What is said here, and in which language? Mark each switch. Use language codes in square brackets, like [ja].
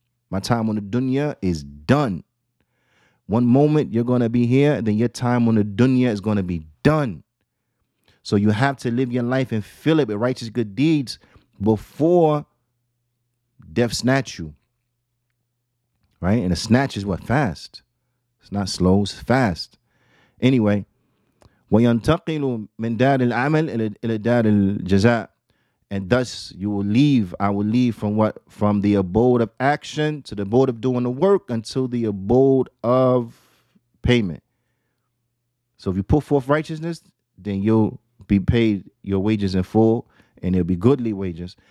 [en] My time on the dunya is done. One moment you're going to be here, and then your time on the dunya is going to be done. So you have to live your life and fill it with righteous good deeds before death snatch you, right? And a snatch is what? Fast. It's not slow, it's fast. [ar] Anyway, وَيَنْتَقِلُ مِنْ دَارِ الْعَمَلِ إِلَى دَارِ الْجَزَاءِ. [en] And thus you will leave, I will leave from what? From the abode of action to the abode of doing the work until the abode of payment. So if you put forth righteousness, then you'll be paid your wages in full, and it'll be goodly wages.